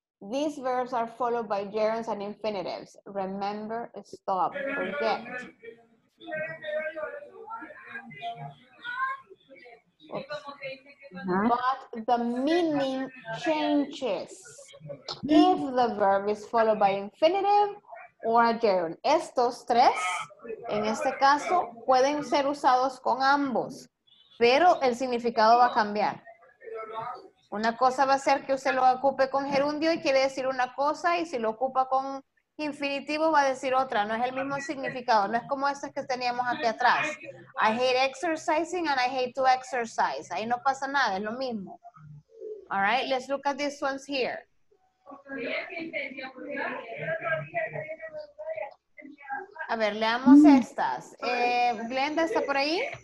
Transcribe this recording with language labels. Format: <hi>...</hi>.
<en>These verbs are followed by gerunds and infinitives. Remember, stop, forget. Uh-huh. But the meaning changes if the verb is followed by infinitive or a gerund.</en> <es>Estos tres, en este caso, pueden ser usados con ambos, pero el significado va a cambiar. Una cosa va a ser que usted lo ocupe con gerundio y quiere decir una cosa, y si lo ocupa con infinitivo va a decir otra. No es el mismo significado, no es como estos que teníamos aquí atrás.</es> <en>I hate exercising and I hate to exercise.</en> <es>Ahí no pasa nada, es lo mismo.</es> <en>All right, let's look at these ones here.</en> <es>A ver, leamos estas. Glenda, ¿está por ahí?</es>